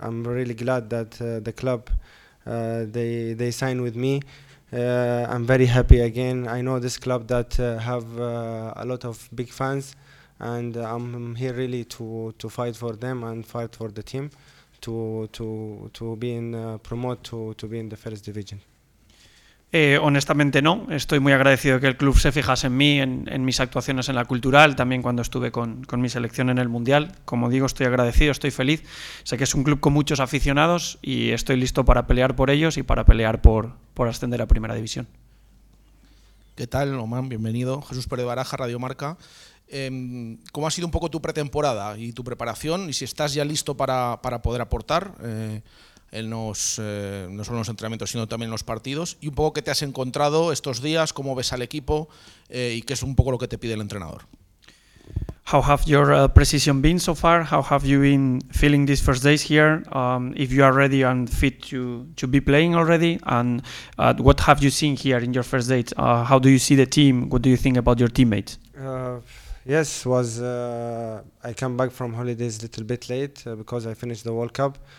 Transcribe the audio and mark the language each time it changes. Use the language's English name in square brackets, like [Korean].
[English] I'm really glad that the club they signed with me. I'm very happy again. I know this club that have a lot of big fans, and I'm here really to fight for them and fight for the team. To be in promote to be in the first division. [Spanish] Honestamente no, estoy muy agradecido que el club se fijase en mí, en mis actuaciones en la cultural, también cuando estuve con mi selección en el Mundial. Como digo, estoy agradecido, estoy feliz. Sé que es un club con muchos aficionados y estoy listo para pelear por ellos y para pelear por ascender a primera división. ¿Qué tal, Homan? Bienvenido. Jesús Pérez Baraja, Radio Marca. ¿Cómo ha sido un poco tu pretemporada y tu preparación? Y si estás ya listo para poder aportar no solo en los entrenamientos, sino también en los partidos. Y un poco, ¿qué te has encontrado estos días? ¿Cómo ves al equipo? ¿Y qué es un poco lo que te pide el entrenador? [English] How have your precision been so far? How have you been feeling these first days here? If you are ready and fit to be playing already, and what have you seen here in your first date? How do you see the team? What do you think about your teammates? Yes, was I came back from holidays a little bit late because I finished the World Cup.